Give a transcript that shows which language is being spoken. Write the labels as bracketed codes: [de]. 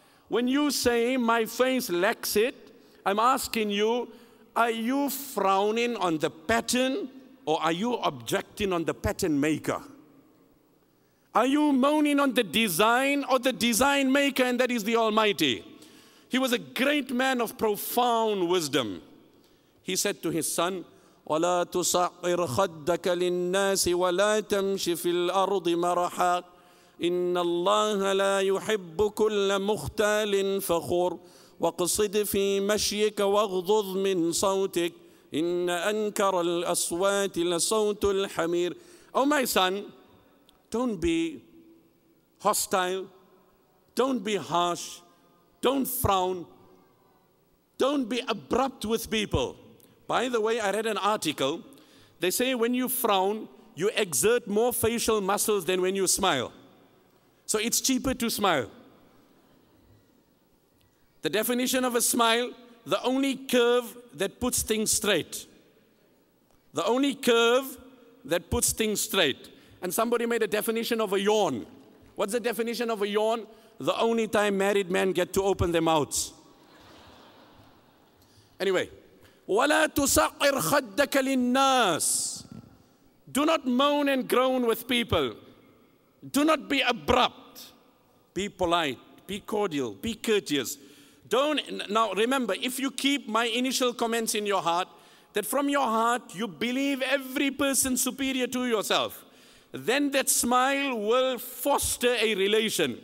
[en] When you say my face lacks it, I'm asking you, are you frowning on the pattern? Or are you objecting on the pattern maker? Are you moaning on the design or the design maker, and that is the Almighty? He was a great man of profound wisdom. He said to his son, [ar] وَلَا تُصَعِّرْ خَدَّكَ لِلنَّاسِ وَلَا تَمْشِ فِي الْأَرْضِ مَرَحَا إِنَّ اللَّهَ لَا يُحِبُّ كُلَّ مُخْتَالٍ فَخُورٍ وَقْصِدْ فِي مَشْيِكَ وَاغْضُضْ مِنْ صَوْتِكَ إن أنكر الأصوات لصوت الحمير. [en] Oh my son, don't be hostile, don't be harsh, don't frown, don't be abrupt with people. By the way, I read an article. They say when you frown, you exert more facial muscles than when you smile. So it's cheaper to smile. The definition of a smile: the only curve that puts things straight. The only curve that puts things straight. And somebody made a definition of a yawn. What's the definition of a yawn? The only time married men get to open their mouths. Anyway, [ar] وَلَا تُسَعِّرْ خَدَّكَ لِلنَّاسِ. [en] Do not moan and groan with people. Do not be abrupt. Be polite, be cordial, be courteous. Don't, now remember, if you keep my initial comments in your heart, that from your heart you believe every person superior to yourself, then that smile will foster a relation.